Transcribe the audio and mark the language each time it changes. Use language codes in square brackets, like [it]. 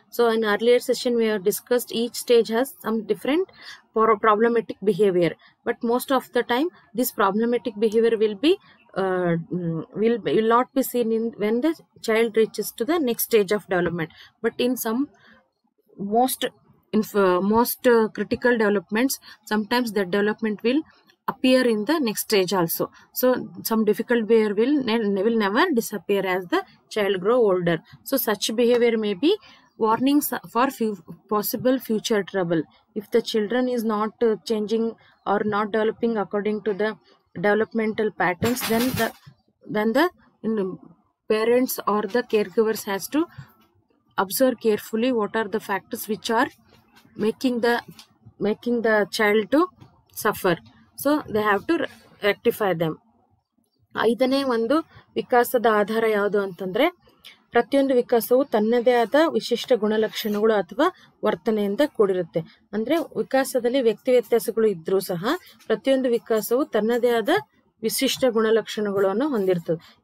[en] So in earlier session we are discussed each stage has some different problematic behaviour but most of the time this problematic behaviour will be will will not be seen in when the child reaches to the next stage of development but in some most in most critical developments sometimes that development will appear in the next stage also. So some difficult behavior will never disappear as the child grow older. So such behavior may be warnings for possible future trouble. If the children is not changing or not developing according to the developmental patterns, then the parents or the caregivers has to observe carefully what are the factors which are making the child to suffer. So they have to rectify them. [kn] ಐದನೇ ಒಂದು ವಿಕಾಸದ ಆಧಾರ ಯಾವುದು ಅಂತಂದ್ರೆ, ಪ್ರತಿಯೊಂದು ವಿಕಾಸವು ತನ್ನದೇ ಆದ ವಿಶಿಷ್ಟ ಗುಣಲಕ್ಷಣಗಳು ಅಥವಾ ವರ್ತನೆಯಿಂದ ಕೂಡಿರುತ್ತೆ. ಅಂದ್ರೆ ವಿಕಾಸದಲ್ಲಿ ವ್ಯಕ್ತಿ ವ್ಯತ್ಯಾಸಗಳು ಇದ್ರೂ ಸಹ ಪ್ರತಿಯೊಂದು ವಿಕಾಸವು ತನ್ನದೇ ಆದ ವಿಶಿಷ್ಟ ಗುಣಲಕ್ಷಣಗಳನ್ನು ಹೊಂದಿರ್ತದೆ.